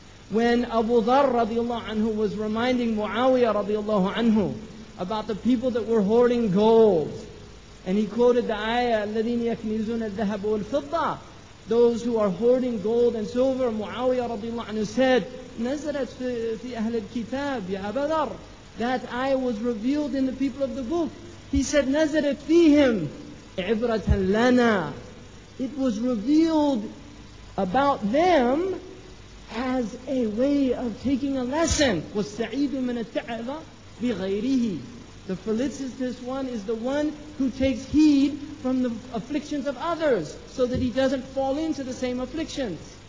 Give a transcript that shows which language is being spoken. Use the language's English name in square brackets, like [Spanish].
[English] When Abu Dharr radiallahu anhu was reminding Muawiyah radiallahu anhu about the people that were hoarding gold, and he quoted the ayah, [Arabic] الَّذِينَ يَكْنِزُونَ الذَّهَبُ وَالْفِضَّةِ, [English] those who are hoarding gold and silver, Muawiyah radiallahu anhu said, [Arabic] نَزَلَتْ فِي أَهْلِ الْكِتَابِ يَا أَبَا دَرَّ. [English] That ayah was revealed in the people of the book. He said, [Arabic] نَزَلَتْ فِيهِمْ عِبْرَةً لَنَا. [English] It was revealed about them as a way of taking a lesson. [Arabic] وَالسَّعِيدُ مِنَ التَّعِظَ بِغَيْرِهِ. [English] The felicitous one is the one who takes heed from the afflictions of others, so that he doesn't fall into the same afflictions.